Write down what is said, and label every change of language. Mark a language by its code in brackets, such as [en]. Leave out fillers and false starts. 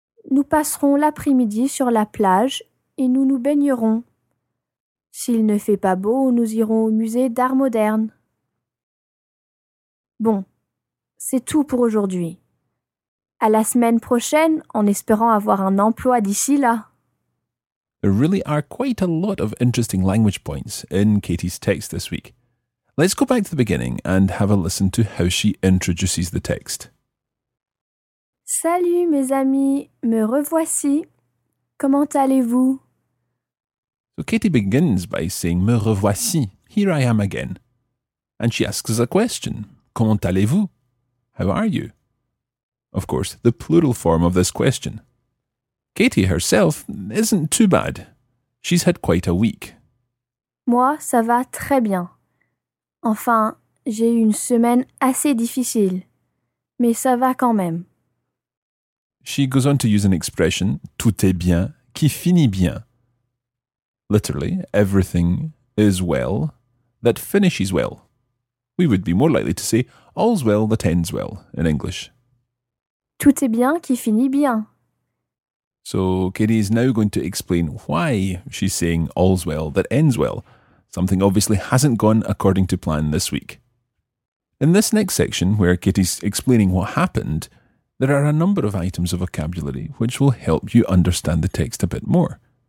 [fr] Nous passerons l'après-midi sur la plage et nous nous baignerons. S'il ne fait pas beau, nous irons au musée d'art moderne. Bon, c'est tout pour aujourd'hui. À la semaine prochaine, en espérant avoir un emploi d'ici là. [en] There really are quite a lot of interesting language points in Katie's text this week. Let's go back to the beginning and have a listen to how she introduces the text. [fr] Salut mes amis, me revoici. Comment allez-vous? [en] So Katie begins by saying [fr] me revoici, [en] here I am again. And she asks a question, [fr] comment allez-vous? [en] How are you? Of course, the plural form of this question. Katie herself isn't too bad. She's had quite a week. [fr] Moi, ça va très bien. Enfin, j'ai eu une semaine assez difficile, mais ça va quand même. [en] She goes on to use an expression, [fr] tout est bien, qui finit bien. [en] Literally, everything is well, that finishes well. We would be more likely to say, all's well that ends well, in English. [fr] Tout est bien, qui finit bien. [en] So, Katie is now going to explain why she's saying, all's well that ends well. Something obviously hasn't gone according to plan this week. In this next section, where Katie's explaining what happened, there are a number of items of vocabulary which will help you understand the text a bit more.